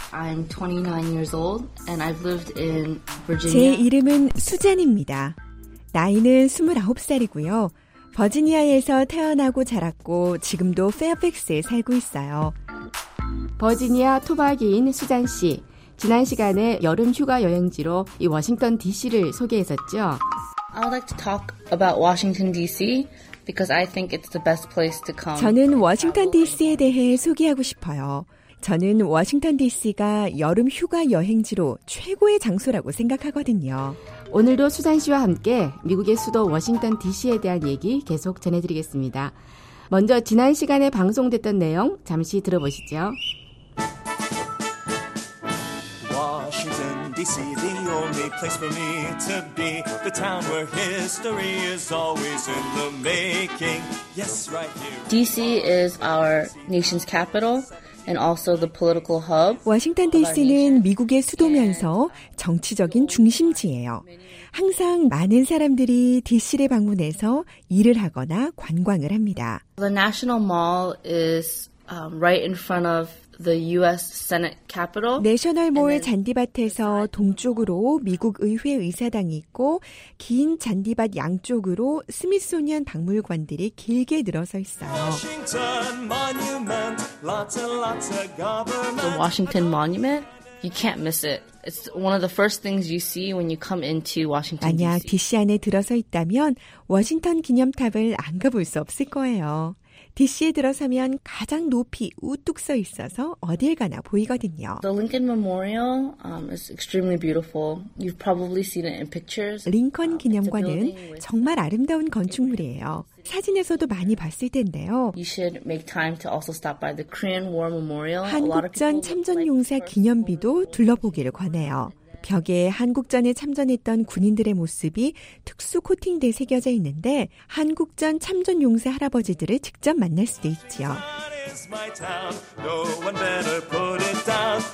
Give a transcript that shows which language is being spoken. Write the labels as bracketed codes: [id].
[en] I'm 29 years old and I've lived in Virginia. [ko] 제 이름은 수잔입니다. 나이는 29살이고요. 버지니아에서 태어나고 자랐고 지금도 페어팩스에 살고 있어요. 버지니아 토박이인 수잔 씨. 지난 시간에 여름 휴가 여행지로 이 워싱턴 DC를 소개했었죠. [en] I would like to talk about Washington DC because I think it's the best place to come. [ko] 저는 워싱턴 DC에 대해 소개하고 싶어요. 저는 워싱턴 DC가 여름 휴가 여행지로 최고의 장소라고 생각하거든요. 오늘도 수잔 씨와 함께 미국의 수도 워싱턴 DC에 대한 얘기 계속 전해드리겠습니다. 먼저 지난 시간에 방송됐던 내용 잠시 들어보시죠. [en] Washington DC, the only place for me to be. The town where history is always in the making. Yes, right here. DC is our nation's capital. And also the political hub. [ko] 워싱턴 DC는 미국의 수도면서 정치적인 중심지예요. 항상 많은 사람들이 DC를 방문해서 일을 하거나 관광을 합니다. [en] The National Mall is right in front of the U.S. Senate Capitol. [ko] 내셔널몰 잔디밭에서 동쪽으로 미국 의회 의사당이 있고 긴 잔디밭 양쪽으로 스미소니안 박물관들이 길게 늘어서 있어요. [en] Washington Monument, lots and lots of government. The Washington Monument, you can't miss it. It's one of the first things you see when you come into Washington, [ko] 만약 만약 D.C. 안에 들어서 있다면 워싱턴 기념탑을 안 가볼 수 없을 거예요. D.C.에 들어서면 가장 높이 우뚝 서 있어서 어딜 가나 보이거든요. [en] The Lincoln Memorial is extremely beautiful. You've probably seen it in pictures. [ko] 링컨 기념관은 정말 아름다운 건축물이에요. 사진에서도 많이 봤을 텐데요. [en] You should make time to also stop by the Korean War Memorial. [ko] 한국전 참전용사 기념비도 둘러보기를 권해요. 벽에 한국전에 참전했던 군인들의 모습이 특수 코팅돼 새겨져 있는데 한국전 참전용사 할아버지들을 직접 만날 수도 있지요. [en] No one better put it down.